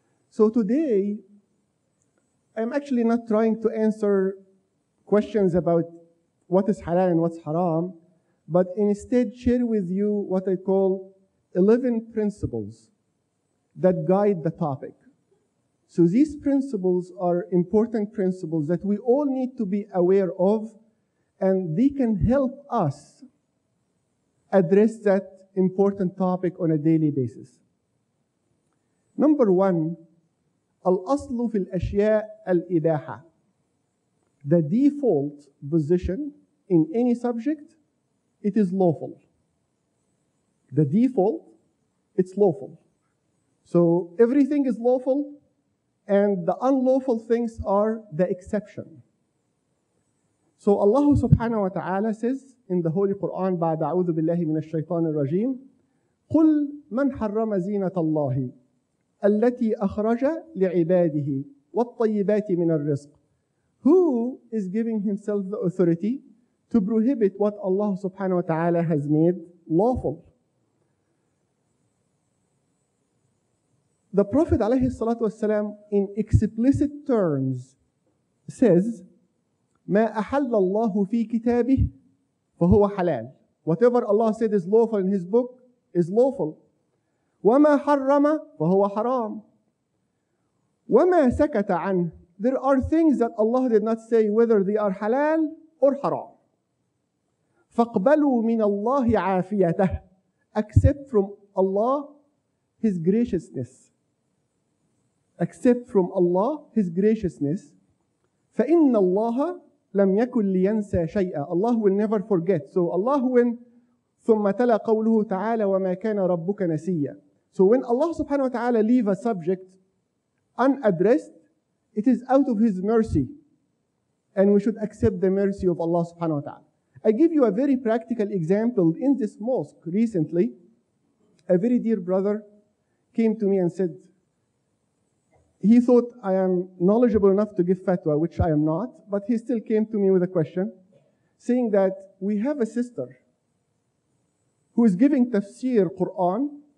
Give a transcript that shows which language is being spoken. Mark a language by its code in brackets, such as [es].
[en] So today, I'm actually not trying to answer questions about what is halal and what's haram, but instead share with you what I call 11 principles that guide the topic. So these principles are important principles that we all need to be aware of, and they can help us address that important topic on a daily basis. Number one, [ar] الأصل في الأشياء الإباحة. [en] The default position in any subject, it is lawful. The default, it's lawful. So everything is lawful, and the unlawful things are the exception. So Allah subhanahu wa ta'ala says in the Holy Quran, [ar] بعد أعوذ بالله من الشيطان الرجيم: قل من حرم زينة الله التي أخرج لعباده والطيبات من الرزق [en] Who is giving himself the authority to prohibit what Allah subhanahu wa ta'ala has made lawful? The Prophet alayhi salatu wasalam in explicit terms says, [ar] مَا أَحَلَّ اللَّهُ فِي كِتَابِهِ فَهُوَ حَلَالٌ. [en] Whatever Allah said is lawful in his book is lawful. [ar] وَمَا حَرَّمَ فَهُوَ حَرَامٌ. وَمَا سَكَتَ عَنْهُ. [en] There are things that Allah did not say whether they are halal or haram. [ar] فَاقْبَلُوا مِنَ اللَّهِ عَافِيَتَهِ. [en] Accept from Allah his graciousness. Accept from Allah his graciousness. [ar] فَإِنَّ اللَّهَ لَمْ يَكُنْ لِيَنْسَى شَيْئًا. [en] Allah will never forget. So Allah when [ar] ثُمَّ تَلَى قَوْلُهُ تَعَالَى وَمَا كَانَ رَبُّكَ نَسِيًّا. [en] So when Allah subhanahu wa ta'ala leave a subject unaddressed, it is out of his mercy. And we should accept the mercy of Allah subhanahu wa ta'ala. I give you a very practical example. In this mosque recently, a very dear brother came to me and said, he thought I am knowledgeable enough to give fatwa, which I am not, but he still came to me with a question, saying that we have a sister who is giving tafsir Quran.